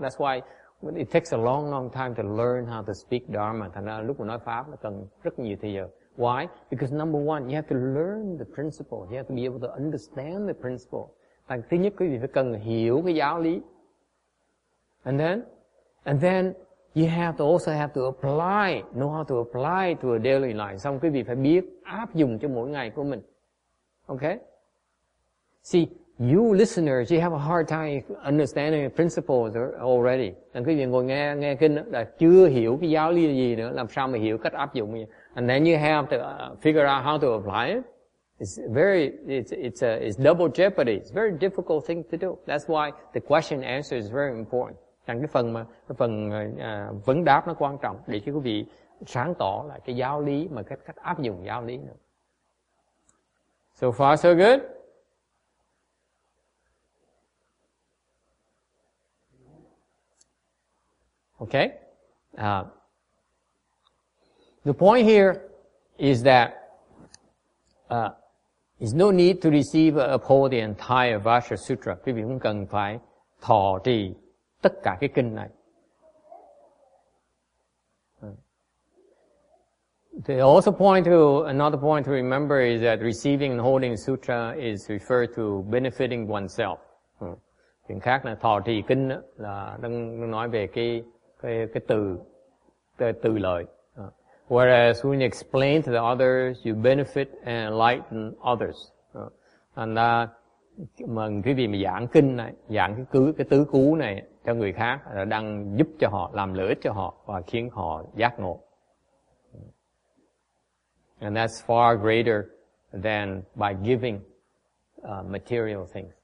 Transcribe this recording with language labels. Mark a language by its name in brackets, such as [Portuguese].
[English] That's why it takes a long, long time to learn how to speak Dharma. [Vietnamese] Thành ra lúc mà nói Pháp nó cần rất nhiều thời gian. [English] Why? Because number one, you have to learn the principle. You have to be able to understand the principle. [Vietnamese] Thành thứ nhất, quý vị phải cần hiểu cái giáo lý. [English] And then, you have to also have to apply, know how to apply to a daily life. [Vietnamese] Xong quý vị phải biết áp dụng cho mỗi ngày của mình. [English] Okay? See, you listeners, you have a hard time understanding principles already. [Vietnamese] And quý vị ngồi nghe kinh là chưa hiểu cái giáo lý gì nữa, làm sao mà hiểu cách áp dụng. [English] And then you have to figure out how to apply it. It's double jeopardy. It's a very difficult thing to do. That's why the question answer is very important. [Vietnamese] Rằng cái phần vấn đáp nó quan trọng để cho quý vị sáng tỏ lại cái giáo lý mà cách áp dụng giáo lý nữa. [English] So far so good. Okay. The point here is that there's no need to receive or uphold the entire Vajra Sutra. [Vietnamese] Quý vị không cần phải thọ trì tất cả cái kinh này. [English] They also point to another point to remember is that receiving and holding sutra is referred to benefiting oneself. [Vietnamese] Chuyện khác là thọ trì kinh là đang nói về cái từ lợi. [English] Whereas when you explain to the others, you benefit and enlighten others. [Vietnamese] And mà quý vị mà giảng kinh này, giảng cái tứ cú này cho người khác là đang giúp cho họ, làm lợi ích cho họ và khiến họ giác ngộ. [English] And that's far greater than by giving material things.